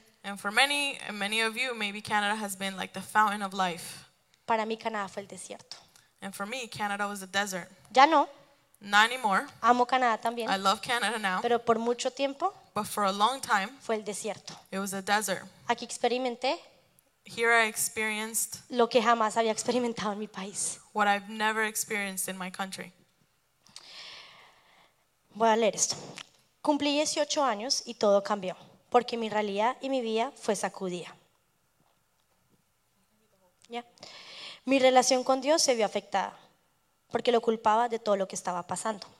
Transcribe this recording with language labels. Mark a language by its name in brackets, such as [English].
[English] And for many, and many of you, maybe Canada has been like the fountain of life. [Spanish] Para mí, Canadá fue el desierto. [English] And for me, Canada was a desert. [Spanish] Ya no. [English] Not anymore. [Spanish] Amo Canadá también. [English] I love Canada now. [Spanish] Pero por mucho tiempo. [English] But for a long time. [Spanish] Fue el desierto. [English] It was a desert. [Spanish] Aquí experimenté. [English] Here I experienced. [Spanish] Lo que jamás había experimentado en mi país. [English] What I've never experienced in my country. [Spanish] Voy a leer esto. Cumplí 18 años y todo cambió, porque mi realidad y mi vida fue sacudida. Yeah. Mi relación con Dios se vio afectada porque lo culpaba de todo lo que estaba pasando.